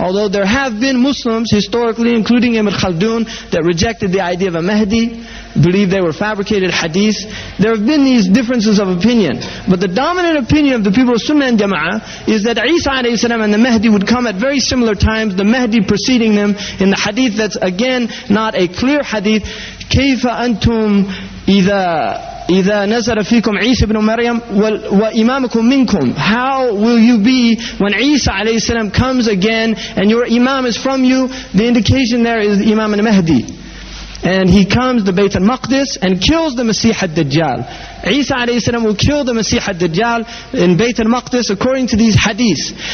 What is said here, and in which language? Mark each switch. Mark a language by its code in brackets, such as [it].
[en] Although there have been Muslims historically, including Ibn Khaldun, that rejected the idea of a Mahdi, believe they were fabricated hadiths. There have been these differences of opinion. But the dominant opinion of the people of Sunnah and Jama'ah is that Isa alayhi salam and the Mahdi would come at very similar times, the Mahdi preceding them, in the hadith that's again not a clear hadith. [ar] كيف أنتم إذا نزل فيكم عيسى بن مريم وإمامكم منكم. [en] How will you be when Isa alayhi salam comes again and your imam is from you? The indication there is Imam al-Mahdi. And he comes to Bayt al-Maqdis and kills the Masih al-Dajjal. Isa alayhi salam will kill the Masih al-Dajjal in Bayt al-Maqdis according to these hadiths.